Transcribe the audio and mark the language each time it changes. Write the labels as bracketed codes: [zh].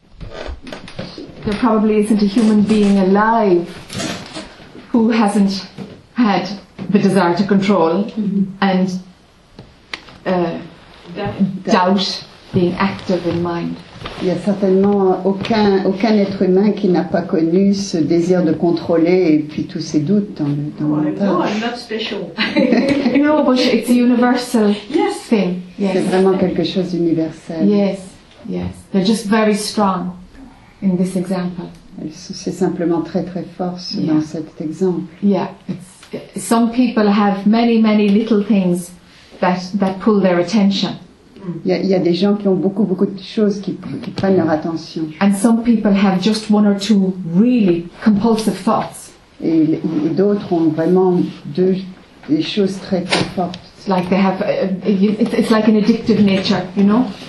[en] there probably isn't a human being alive who hasn't had the desire to control and doubt being active in mind. [fr] Il n'y a certainement aucun être humain qui n'a pas connu ce désir de contrôler et puis tous ces doutes dans le temps. [en] No, I'm not special. No, but it's a universal yes. thing. Yes. [fr] C'est vraiment quelque chose d'universel. [en] Yes, yes. They're just very strong in this example. [fr] C'est simplement très très fort yeah. dans cet exemple. [en] Yeah. It's, some people have many, many little things that pull their attention. [fr] Il y a des gens qui ont beaucoup de choses qui prennent leur attention. [en] And some people have just one or two really compulsive thoughts. [fr] Et d'autres ont vraiment des choses très très fortes. [en] It's like they have it's like an addictive nature, you know?